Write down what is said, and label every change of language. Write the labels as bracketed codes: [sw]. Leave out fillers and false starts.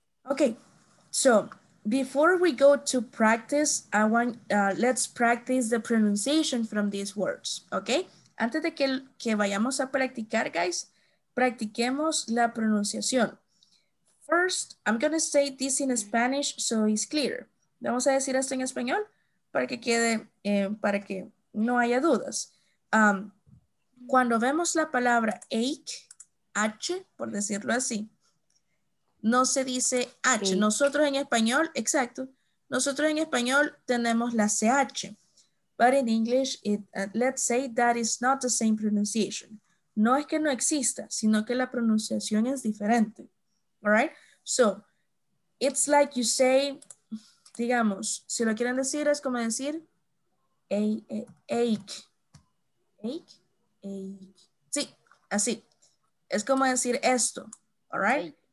[en] Okay, so before we go to practice, I want, let's practice the pronunciation from these words, okay? [es] Antes de que vayamos a practicar, guys, practiquemos la pronunciación. [en] First, I'm going to say this in Spanish so it's clear. [es] Vamos a decir esto en español para que quede, para que no haya dudas. Cuando vemos la palabra ache, H, por decirlo así, no se dice H. Sí. Nosotros en español, exacto, nosotros en español tenemos la CH. [en] But in English, let's say that is not the same pronunciation. [es] No es que no exista, sino que la pronunciación es diferente. [en] All right? So, it's like you say, [es] digamos, si lo quieren decir, es como decir, ache. Ache? Ache. Sí, así. Es como decir esto. [en] All right?